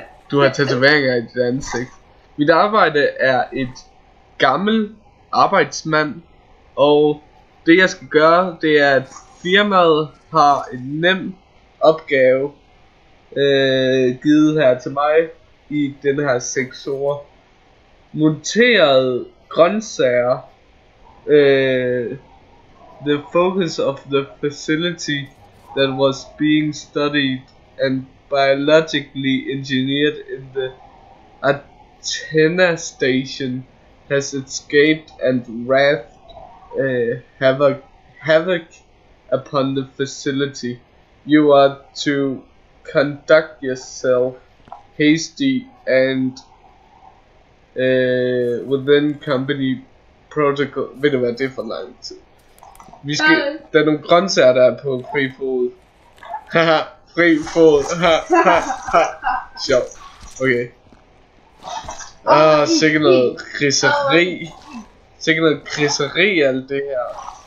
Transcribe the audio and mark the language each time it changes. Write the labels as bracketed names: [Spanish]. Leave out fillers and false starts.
[Danish] Du har tatoveringer i dit ansigt. Mit arbejde er et gammel arbejdsmand, og det jeg skal gøre, det er, at firmaet har en nem opgave givet her til mig i den her sektor. Monteret grøntsager. [English] The focus of the facility that was being studied and biologically engineered in the antenna station has escaped and wreaked havoc upon the facility. You are to conduct yourself hasty and within company protocol. [Danish] Ved du hvad, det er for lang tid. Vi skal, der er nogle grøntsager, der er på fri fod. Fri fod. Sjov. Okay. Sikke noget kriseri. Sikke noget kriseri, alt det her.